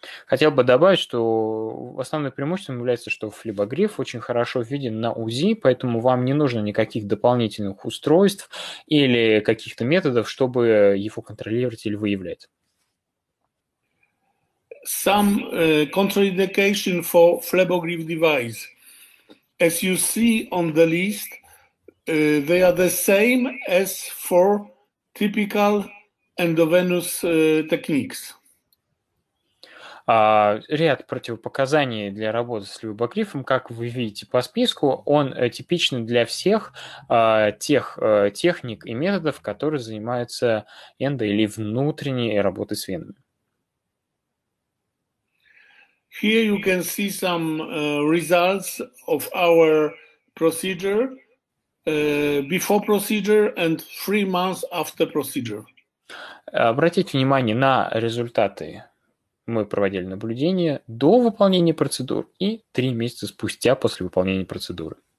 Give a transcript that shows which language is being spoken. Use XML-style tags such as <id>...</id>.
<ru>Хотел бы добавить, что основным преимуществом является, что флебогриф очень хорошо виден на УЗИ, поэтому вам не нужно никаких дополнительных устройств или каких-то методов, чтобы его контролировать или выявлять.</ru> <en>Some contraindication for flebogriff device. As you see on the list, they are the same as for typical endovenous techniques.</en> <ru>Ряд противопоказаний для работы с флебогрифом, как вы видите по списку, он типичный для всех тех техник и методов, которые занимаются эндо или внутренней работой с венами.</ru> <en>Here you can see some results of our procedure before procedure and 3 months after procedure.</en> <ru>Обратите внимание на результаты. Мы проводили наблюдение до выполнения процедур и 3 месяца спустя после выполнения процедуры.</ru>